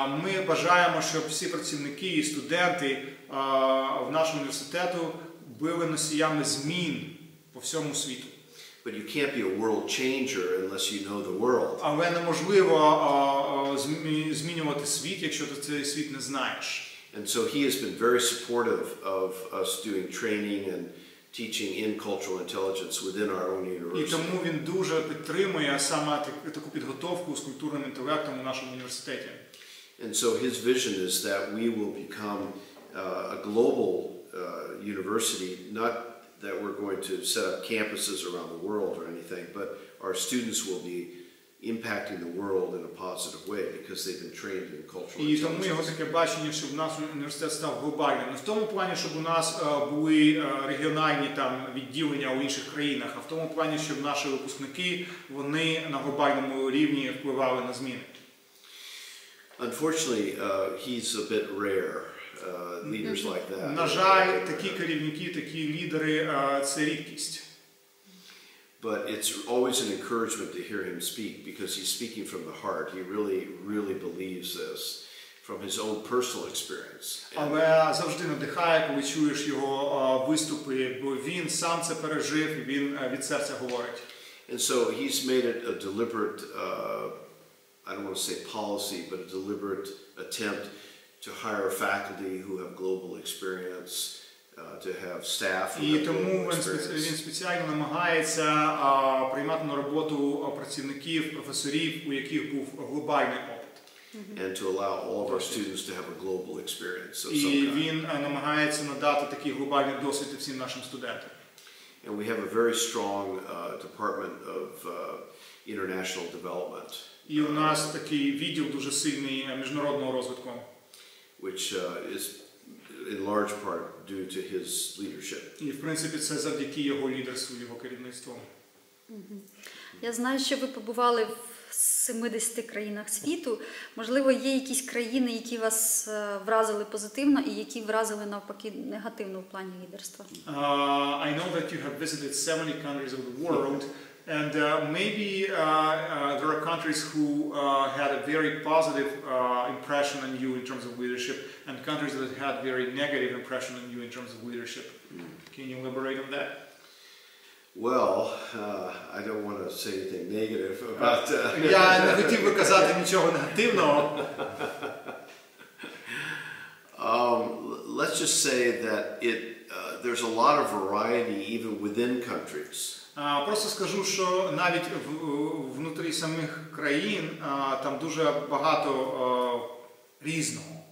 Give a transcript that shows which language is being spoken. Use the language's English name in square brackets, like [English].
[Ukrainian] Ми бажаємо, щоб всі працівники і студенти в нашому університету були носіями змін по всьому світу. [English] But you can't be a world changer unless you know the world. [Ukrainian] Але неможливо змінювати світ, якщо ти цей світ не знаєш. [English] And so he has been very supportive of us doing training and teaching in cultural intelligence within our own university. [Ukrainian] І тому він дуже підтримує саме таку підготовку з культурним інтелектом у нашому університеті. [English] And so his vision is that we will become a global university, not that we're going to set up campuses around the world or anything, but our students will be impacting the world in a positive way because they've been trained in cultural intelligence. [Ukrainian] І тому його таке бачення, щоб наш університет став глобальним. Не в тому плані, щоб у нас були регіональні там відділення у інших країнах, а в тому плані, щоб наші випускники, вони на глобальному рівні впливали на зміни. [English] Unfortunately, he's a bit rare. Leaders like that. [Ukrainian] На жаль, такі керівники, такі лідери це рідкість. [English] But it's always an encouragement to hear him speak because he's speaking from the heart. He really really believes this from his own personal experience. [Ukrainian] Але завжди надихає, коли чуєш його виступи, бо він сам це пережив і він від серця говорить. [English] And so he's made it a deliberate I don't want to say policy, but a deliberate attempt to hire faculty who have global experience, to have staff who have global experience. [Ukrainian] І тому він спеціально намагається приймати на роботу працівників, професорів, у яких був глобальний опит. [English] And to allow all of our students to have a global experience of some kind. [Ukrainian] І він намагається надати такий глобальний досвід всім нашим студентам. [English] And we have a very strong department of international development. [Ukrainian] І у нас такий відділ дуже сильний міжнародного розвитку. [English] Which is in large part due to his leadership. [Ukrainian] І в принципі це завдяки його лідерству, його керівництву. Я знаю, що ви побували в 70 країнах світу. Можливо, є якісь країни, які вас вразили позитивно і які вразили навпаки негативно в плані лідерства? [English] I know that you have visited 70 countries of the world. And maybe there are countries who had a very positive impression on you in terms of leadership and countries that had very negative impression on you in terms of leadership. Can you elaborate on that? Well, I don't want to say anything negative about... [Ukrainian] Я не хотів би казати нічого негативного. [English] Let's just say that there's a lot of variety even within countries. [Ukrainian] Просто скажу, що навіть внутрі самих країн там дуже багато різного.